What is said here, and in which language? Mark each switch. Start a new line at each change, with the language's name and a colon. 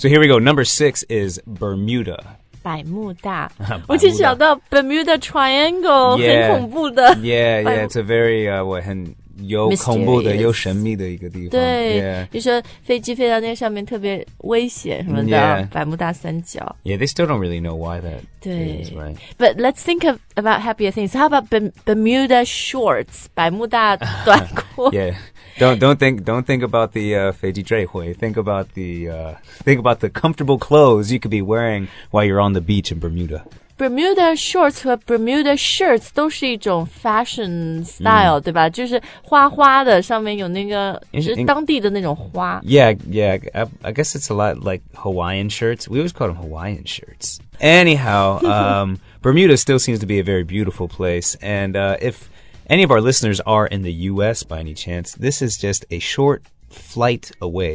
English: So here we go, number six is Bermuda.
Chinese: 百慕大我就想到 Bermuda Triangle
English: yeah,
Chinese: 很恐怖的
English: Yeah, yeah, it's a very
Chinese: 我很有恐怖的、
English: Mysterious.
Chinese: 有神秘的一个地方对、
English: yeah.
Chinese: 就是飞机飞到那上面特别危险什么的、
English: yeah.
Chinese: 百慕大三角
English: Yeah, they still don't really know why that
Chinese: 对
English: is, right? But let's think of, about happier things How about Bermuda Shorts
Chinese: 百慕大短裤
English: Yeah Don't think about the
Chinese: 飞机坠毁
English: Think about the comfortable clothes you could be wearing while you're on the beach in Bermuda.
Chinese: Bermuda shorts 和 Bermuda shirts 都是一种 fashion style,、mm. 对吧？就是花花的，上面有那个是当地的那种花。
English: Yeah, I guess it's a lot like Hawaiian shirts. We always call them Hawaiian shirts. Anyhow, Bermuda still seems to be a very beautiful place, and if... Any of our listeners are in the U.S. by any chance, this is just a short flight away.